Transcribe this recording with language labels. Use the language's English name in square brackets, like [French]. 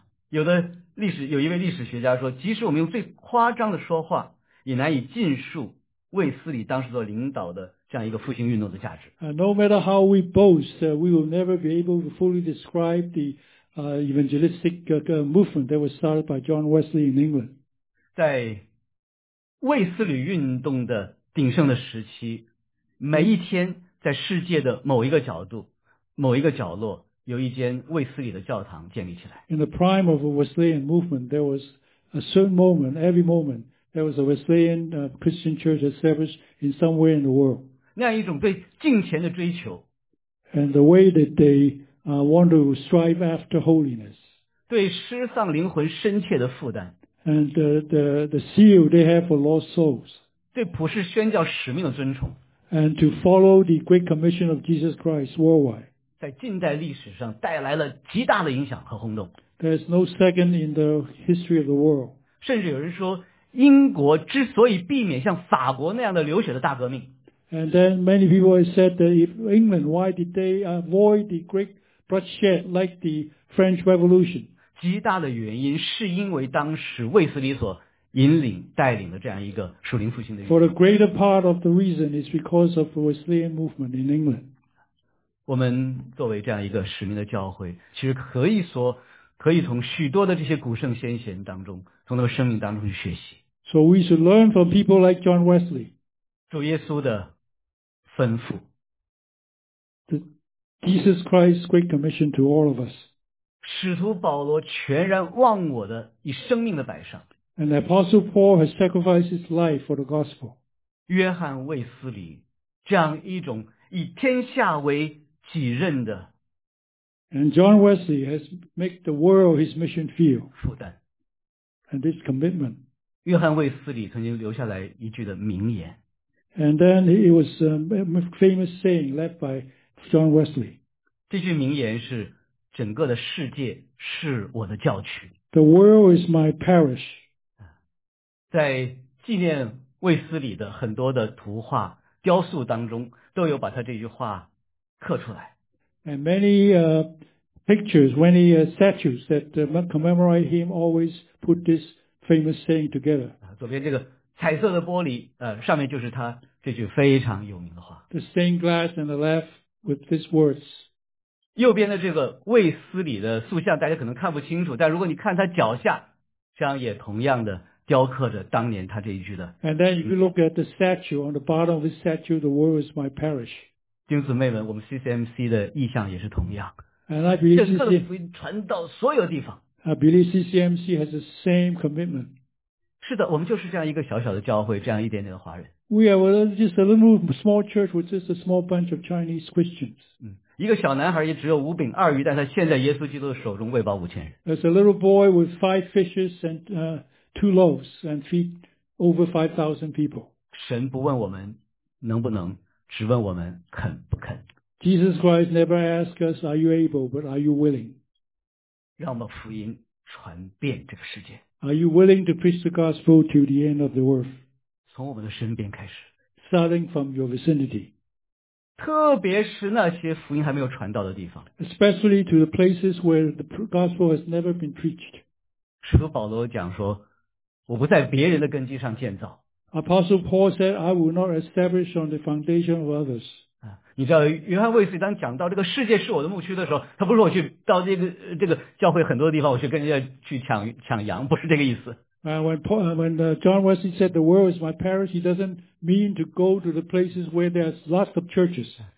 [Chinese] 有一位历史学家说，即使我们用最夸张的说话，也难以尽述卫斯理当时所领导的这样一个复兴运动的价值。 [English] No matter how we boast, we will never be able to fully describe the evangelistic movement that was started by John Wesley in England. [Chinese] 在卫斯理运动的鼎盛的时期，每一天在世界的某一个角度、某一个角落，有一间卫斯理的教堂建立起来。 [English] In the prime of a Wesleyan movement, there was a certain moment, every moment, there was a Wesleyan Christian church established in somewhere in the world. [Chinese] 那样一种对敬虔的追求 [English] ，and the way that they want to strive after holiness， [Chinese] 对失丧灵魂深切的负担 [English] ，and the zeal they have for lost souls， [Chinese] 对普世宣教使命的尊崇 [English] ，and to follow the great commission of Jesus Christ worldwide， [Chinese] 在近代历史上带来了极大的影响和轰动。 [English] There's no second in the history of the world。 [Chinese] 甚至有人说，英国之所以避免像法国那样的流血的大革命。 [English] And then many people have said that if England, why did they avoid the great bloodshed like the French Revolution? [Chinese] 极大的原因是因为当时卫斯理所引领带领的这样一个属灵复兴的运动。 [English] For the greater part of the reason is because of the Wesleyan movement in England. [Chinese] 我们作为这样一个使命的教会，其实可以说，可以从许多的这些古圣先贤当中，从他们生命当中去学习。 [English] So we should learn from people like John Wesley. [Chinese] 主耶稣的吩咐 [English] Jesus Christ's great commission to all of us. [Chinese] 使徒保罗全然忘我的以生命的摆上 [English] And Apostle Paul has sacrificed his life for the gospel. [Chinese] 约翰·卫斯理这样一种以天下为己任的 [English] And John Wesley has made the world his mission field. [Chinese] 负担 [English] And this commitment. [Chinese] 约翰·卫斯理曾经留下来一句的名言 [English] And then it was a famous saying left by John Wesley. [Chinese] 这句名言是整个的世界是我的教区。 [English] The world is my parish. [Chinese] 在纪念卫斯理的很多的图画雕塑当中都有把他这句话刻出来。 [English] And many pictures, many statues that commemorate him always put this famous saying together. [Chinese] 左边这个彩色的玻璃上面就是他这句非常有名的话。 [English] The stained glass on the left with these words. [Chinese] 右边的这个卫斯理的塑像大家可能看不清楚，但如果你看他脚下，这样也同样的雕刻着当年他这一句的。 [English] And then if you look at the statue, on the bottom of the statue, the world is my parish. [Chinese] 丁姊妹们，我们 CCMC 的意象也是同样。 [English] And I believe CCMC. [Chinese] 这个福音传到所有地方。 [English] I believe CCMC has the same commitment. [Chinese] 是的，我们就是这样一个小小的教会，这样一点点的华人。 [English] We are just a little small church with just a small bunch of Chinese Christians. [Chinese] 一个小男孩也只有五饼二鱼，但他现在耶稣基督的手中喂饱五千人。 [English] There's a little boy with five fishes and two loaves and feed over 5,000 people. [Chinese] 神不问我们能不能，只问我们肯不肯。 [English] Jesus Christ never asks us, "Are you able?" but "Are you willing?" [Chinese] 让我们福音传遍这个世界。 [English] Are you willing to preach the gospel to the end of the world? [Chinese] 从我们的身边开始。 [English] Starting from your vicinity. [Chinese] 特别是那些福音还没有传到的地方。 [English] Especially to the places where the gospel has never been preached. [Chinese] 使徒保罗讲说，我不在别人的根基上建造。 [English] Apostle Paul said, I will not establish on the foundation of others. [Chinese] 你知道，约翰卫斯理当讲到这个世界是我的牧区的时候，他不是我去到这个教会很多的地方，我去跟人家去抢羊，不是这个意思。 [English] When John Wesley said the world is my parish, he doesn't mean to go to the places where there's lots of churches.